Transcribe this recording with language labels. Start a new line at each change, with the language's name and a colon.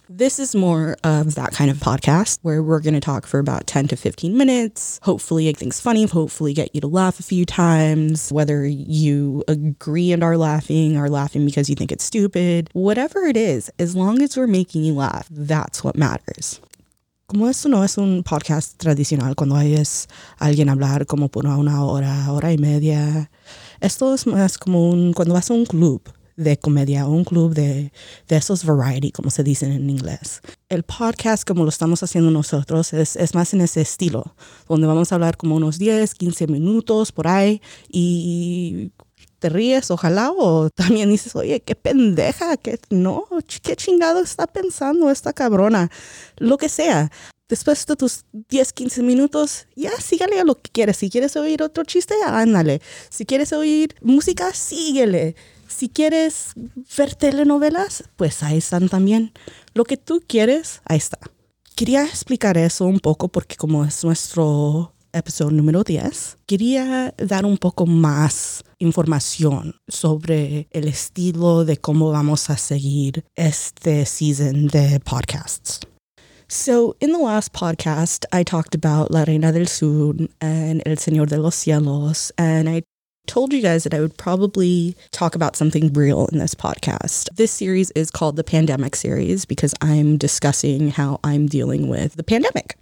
English: This is more of that kind of podcast where we're going to talk for about 10 to 15 minutes. Hopefully make things funny. Hopefully get you to laugh a few times. Whether you agree and are laughing or laughing because you think it's stupid. Whatever it is, as long as we're making you laugh, that's what matters.
Spanish: Como esto no es un podcast tradicional cuando oyes alguien hablar como por una hora, hora y media. Esto es más común cuando vas a un club. De comedia, un club de esos variety, como se dicen en inglés. El podcast, como lo estamos haciendo nosotros, es más en ese estilo, donde vamos a hablar como unos 10, 15 minutos, por ahí, y te ríes, ojalá, o también dices, oye, qué pendeja, qué chingado está pensando esta cabrona, lo que sea. Después de tus 10, 15 minutos, ya síguele a lo que quieres. Si quieres oír otro chiste, ándale. Si quieres oír música, síguele. Si quieres ver telenovelas, pues ahí están también. Lo que tú quieres, ahí está. Quería explicar eso un poco porque como es nuestro episodio número 10, quería dar un poco más información sobre el estilo de cómo vamos a seguir este season de podcasts.
English: So in the last podcast, I talked about La Reina del Sur and El Señor de los Cielos, and I told you guys that I would probably talk about something real in this podcast. This series is called the Pandemic Series because I'm discussing how I'm dealing with the pandemic.